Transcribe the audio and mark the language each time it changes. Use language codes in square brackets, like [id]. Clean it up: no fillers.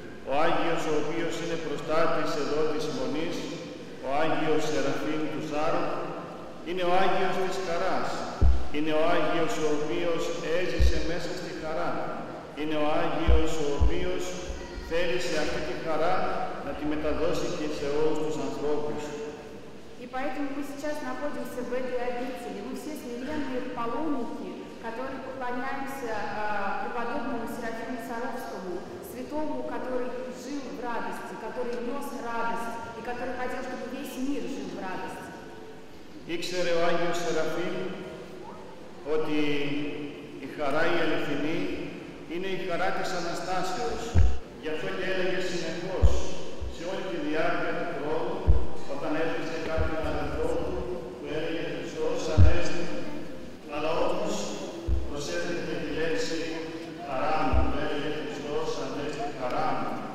[el] ο Άγιος ο οποίος είναι προστάτης εδώ της Μονής, ο Άγιος Σεραφείμ του Σάροφ, είναι ο Άγιος της χαράς, είναι ο Άγιος ο οποίος έζησε μέσα στη χαρά, είναι ο Άγιος ο οποίος θέλησε αυτή τη χαρά να τη μεταδώσει και σε όλους τους ανθρώπους. [ru] Поэтому мы сейчас находимся в этой обители. Мы все смиренные паломники, которые поклоняемся преподобному Серафиму Саровскому, святому, который жил в радости, который нес радость и который хотел, чтобы весь мир жил в радости. [el] Ήξερε ο Άγιος Σεραφείμ, ότι η χαρά η αληθινή είναι η χαρά της Αναστάσεως. Γι' αυτό και έλεγε συνεχώς, σε όλη τη διάρκεια του χρόνου, όταν έρχεσαι κάποιον αδελφό του, που έλεγε Χριστός Ανέστη, αλλά όμως προσέφερε τη λέξη χαρά μου, που έλεγε Χριστός Ανέστη χαρά μου.